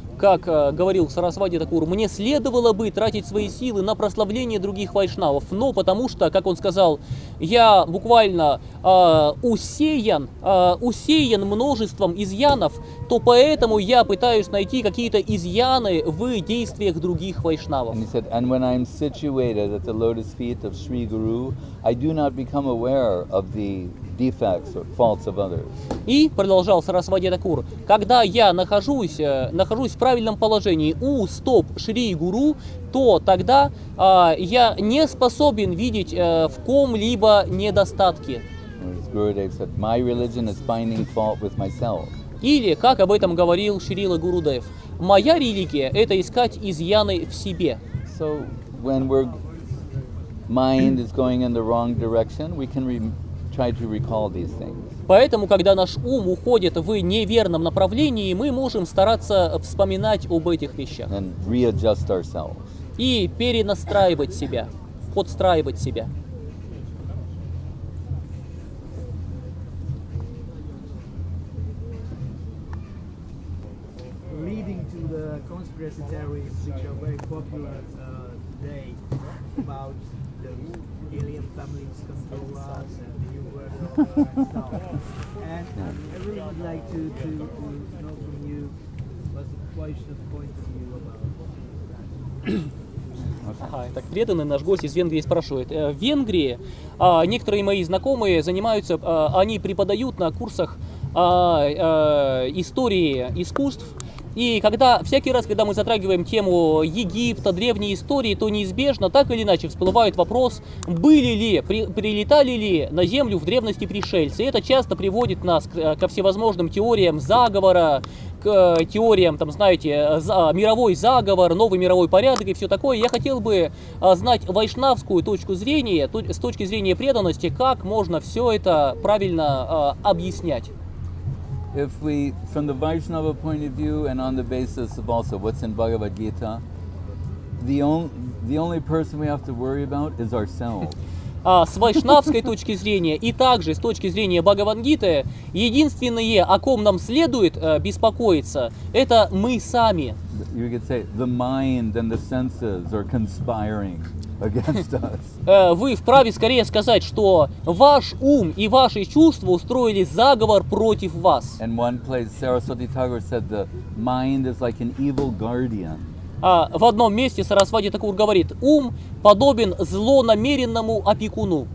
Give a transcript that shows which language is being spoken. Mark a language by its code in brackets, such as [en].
[ru] Как говорил Сарасвати Такур, мне следовало бы тратить свои силы на прославление других вайшнавов, но потому что, как он сказал, я буквально усеян множеством изъянов, то поэтому я пытаюсь найти какие-то изъяны в действиях других вайшнавов. [en] He said, and when I'm situated at the lotus feet of Sri Guru, I do not become aware of the defects or faults of others. [ru] И продолжал Сарасвати Такур, когда я нахожусь в правильном положении у стоп Шри Гуру, то тогда я не способен видеть в ком-либо недостатки. [en] Gurudev said, my religion is finding fault with myself. [ru] Или, как об этом говорил Шрила Гурудев, моя религия – это искать изъяны в себе. [en] So, when our mind is going in the wrong direction, we can try to recall these things. [ru] Поэтому, когда наш ум уходит в неверном направлении, мы можем стараться вспоминать об этих вещах. [en] And readjust ourselves. [ru] И перенастраивать себя, подстраивать себя. [en] Leading to the conspiracy theories, which are very popular today, about the alien families control us and the new world order and so on. And I really would like to know from you what's the question, point of view about [ru] Так, преданный наш гость из Венгрии спрашивает. В Венгрии некоторые мои знакомые занимаются, они преподают на курсах истории искусств. И когда всякий раз, когда мы затрагиваем тему Египта, древней истории, то неизбежно, так или иначе, всплывает вопрос, были ли, прилетали ли на Землю в древности пришельцы. И это часто приводит нас ко всевозможным теориям заговора, к теориям, там, знаете, мировой заговор, новый мировой порядок и все такое. Я хотел бы знать вайшнавскую точку зрения, с точки зрения преданности, как можно все это правильно объяснять. [en] If we, from the Vaishnava point of view and on the basis of also what's in Bhagavad Gita, the only person we have to worry about is ourselves. [ru] С вайшнавской точки зрения и также с точки зрения Бхагавад-гиты, единственное, о ком нам следует беспокоиться, это мы сами. [en] You could say the mind and the senses are conspiring. [ru] Вы вправе скорее сказать, что ваш ум и ваши чувства устроили заговор против вас. [en] In one place, Sarasvati Thakur said the mind is like an evil guardian. [ru] В одном месте Сарасвати Такур говорит, ум подобен злонамеренному опекуну.